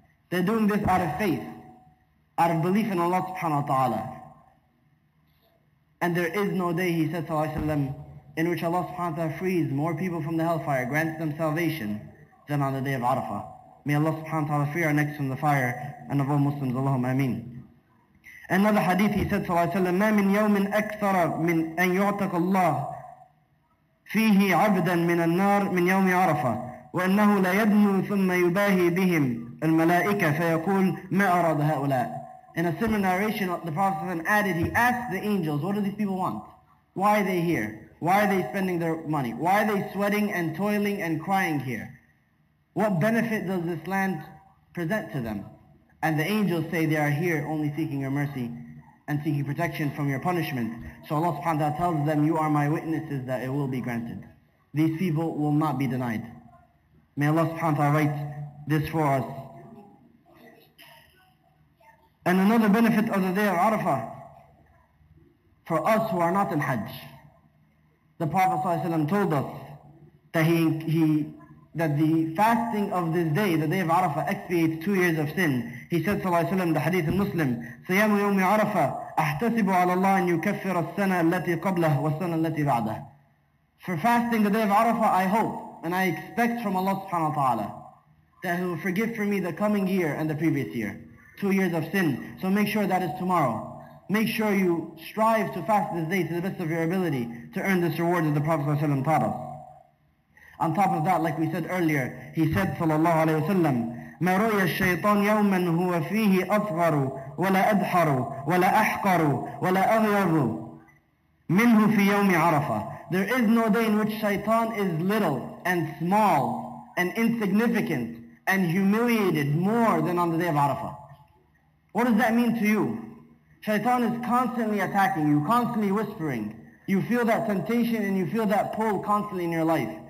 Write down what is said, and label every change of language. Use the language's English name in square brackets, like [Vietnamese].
[English] They're doing this out of faith, out of belief in Allah subhanahu wa ta'ala. And there is no day, he said sallallahu alayhi wa sallam, in which Allah subhanahu wa ta'ala frees more people from the hellfire, grants them salvation, than on the day of Arafah. May Allah subhanahu wa ta'ala free our necks from the fire and of all Muslims, Allahumma ameen. Another hadith, he said sallallahu alayhi wa sallam, [Arabic] ما من يوم أكثر من أن يعتق الله فيه عبدا من النار من يوم عرفة وأنه لا يدنو ثم يباهي بهم الملائكة فيقول ما أراد هؤلاء. [English] In a similar narration, the Prophet added, he asked the angels, what do these people want? Why are they here? Why are they spending their money? Why are they sweating and toiling and crying here? What benefit does this land present to them? And the angels say, they are here only seeking your mercy and seeking protection from your punishment. So Allah subhanahu wa ta'ala tells them, you are my witnesses that it will be granted. These people will not be denied. May Allah subhanahu wa ta'ala write this for us. And another benefit of the day of Arafah, for us who are not in Hajj, the Prophet sallallahu alayhi wa sallam told us that that the fasting of this day, the day of Arafah, expiates 2 years of sin. He said sallallahu alayhi wa sallam, the hadith in Muslim, [Arabic] صِيَامُ يَوْمِ عَرَفَةَ أَحْتَسِبُ عَلَى اللَّهِ أَنْ يُكَفِّرَ السَّنَةَ الَّتِي قَبْلَهُ وَالسَّنَةَ الَّتِي بَعْدَهُ. [English] For fasting the day of Arafah, I hope and I expect from Allah subhanahu wa ta'ala that He will forgive for me the coming year and the previous year. 2 years of sin. So make sure that is tomorrow. Make sure you strive to fast this day to the best of your ability to earn this reward that the Prophet ﷺ taught us. On top of that, like we said earlier, he said sallallahu alayhi wa sallam, [Arabic] مَا رُؤْيَ الشَّيْطَانِ يَوْمًا هُوَ فِيهِ أَصْغَرُ وَلَا أَدْحَرُ وَلَا أَحْقَرُ وَلَا أَغْيَرُ مِنْهُ فِي يَوْمِ عَرَفَةٍ. [English] There is no day in which shaitan is little and small and insignificant and humiliated more than on the day of Arafah. What does that mean to you? Shaitan is constantly attacking you, constantly whispering. You feel that temptation and you feel that pull constantly in your life.